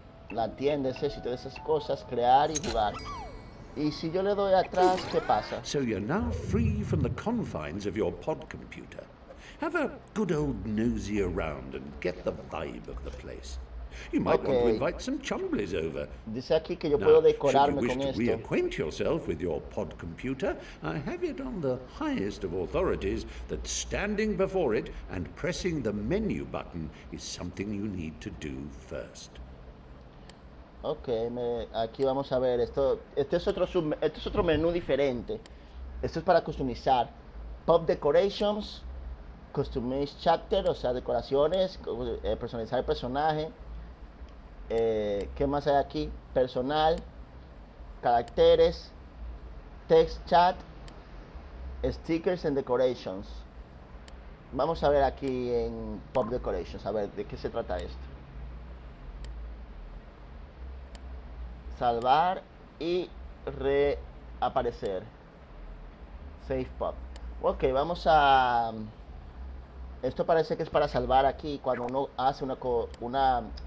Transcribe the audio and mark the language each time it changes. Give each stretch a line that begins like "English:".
Spanish: La tienda, ese sitio de esas cosas, crear y jugar. Y si yo le doy atrás, ¿qué pasa?
English: So you're now free from the confines of your pod computer. Have a good old nosy around and get the vibe of the place. You might okay want to invite some chumblies over.
Spanish: Dice aquí que yo
English: now
Spanish: puedo decorarme con esto.
English: Now, should you wish to reacquaint yourself with your pod computer, I have it on the highest of authorities that standing before it and pressing the menu button is something you need to do first.
Spanish: Ok, aquí vamos a ver esto. Este es otro menú diferente. Esto es para customizar.
English: Pop decorations, customize chapter,
Spanish: o sea, decoraciones, personalizar el personaje. ¿Qué más hay aquí? Personal, caracteres,
English: text chat, stickers and decorations.
Spanish: Vamos a ver aquí en Pop Decorations, a ver de qué se trata esto. Salvar y reaparecer.
English: Save Pop.
Spanish: Ok, vamos a... Esto parece que es para salvar aquí cuando uno hace una...